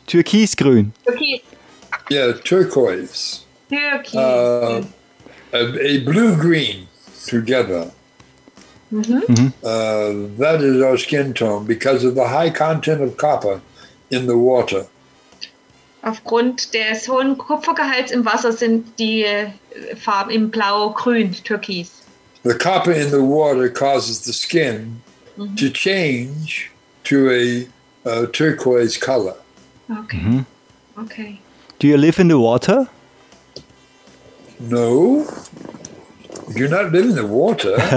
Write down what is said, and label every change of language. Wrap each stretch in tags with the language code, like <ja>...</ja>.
<de>Türkisgrün. Türkis.</de> <en>Yeah, turquoise.</en> <de>Türkis.</de> <en>A blue-green together. Mm-hmm. That is our skin tone because of the high content of copper in the water.</en> <de>Aufgrund des hohen Kupfergehalts im Wasser sind die Farben im Blau-Grün, Türkis.</de> <en>The copper in the water causes the skin mm-hmm. to change to a turquoise color. Okay. Mm-hmm. Okay. Do you live in the water? No. Do not live in the water.</en>